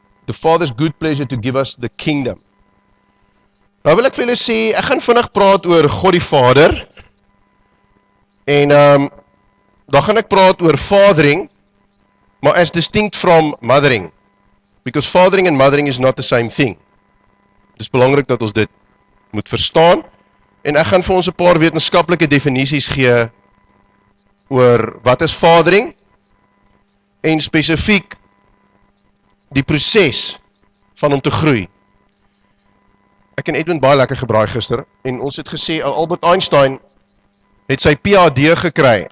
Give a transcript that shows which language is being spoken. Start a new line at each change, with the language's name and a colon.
English: The Father's good pleasure to give us the kingdom.
Afrikaans: Nou wil ek vir julle sê, ek gaan vinnig praat oor God die Vader. En dan gaan ek praat oor fathering, maar
English: as distinct from mothering. Because fathering and mothering is not the same thing.
Afrikaans: Dis belangrik dat ons dit moet verstaan. En ek gaan vir ons 'n paar wetenskaplike definisies gee oor wat is fathering en spesifiek die proses van om te groei. Ek en Edwin baie lekker gebraai gister en ons het gesê Albert Einstein het sy PhD gekry.